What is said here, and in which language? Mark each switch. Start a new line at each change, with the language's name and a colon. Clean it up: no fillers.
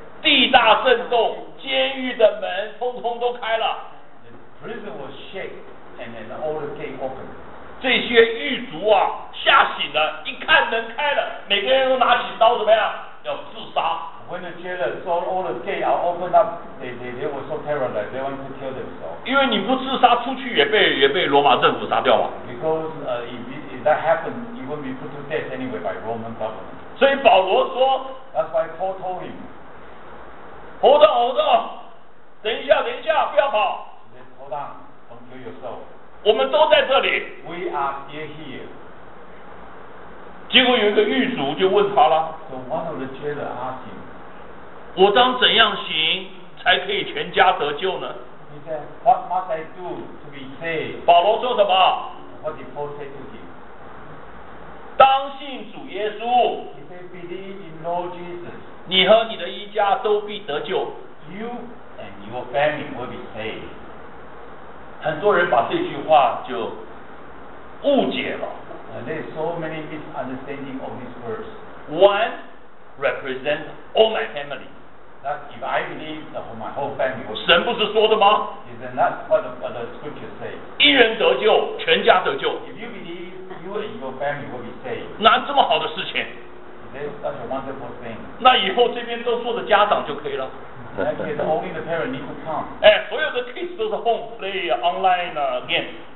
Chinese: 地大震动，监狱的门通通都开了。
English: The prison was shaken, and then all the gate opened.
Chinese: 这些狱卒啊，吓醒了，一看门开了，每个人都拿起刀怎么样，要自杀。
English: when the jailer saw all the gates are opened up, they were so terrified, they wanted to kill themselves.
Chinese: 因为你不自杀出去也被罗马政府杀掉了。
English: Because if that happened, you wouldn't be put to death anyway by Roman government.
Chinese: 所以保罗说
English: ，That's why Paul told him, "Hold on, hold on,
Chinese: 等一下，不要跑。
English: Hold on, don't kill yourself."
Chinese: 我们都在这里。
English: We are still here.
Chinese: 结果有一个狱卒就问他了。
English: So one of the jailer asked him,
Chinese: 我当怎样行才可以全家得救呢？
English: He said, What must I do to be saved?
Chinese: 保罗说什么？
English: What did Paul say to him?
Chinese: 当信主耶稣。
English: He said, Believe in Lord Jesus.
Chinese: 你和你的一家都必得救。
English: You and your family will be saved.
Chinese: 很多人把这句话就误解了。
English: There is so many misunderstanding of this verse. One represents all my family. That if I believe the whole, my whole family.
Chinese: 神不是说的吗？
English: Is that what the scripture says?
Chinese: 一人得救，全家得救。
English: If you believe, you and your family will be saved.
Chinese: 那这么好的事情。
English: Is that such a wonderful thing?
Chinese: 那以后这边都做的家长就可以了。
English: And if only the parent need to come.
Chinese: 哎，所有的 kids 都是
English: home play online game.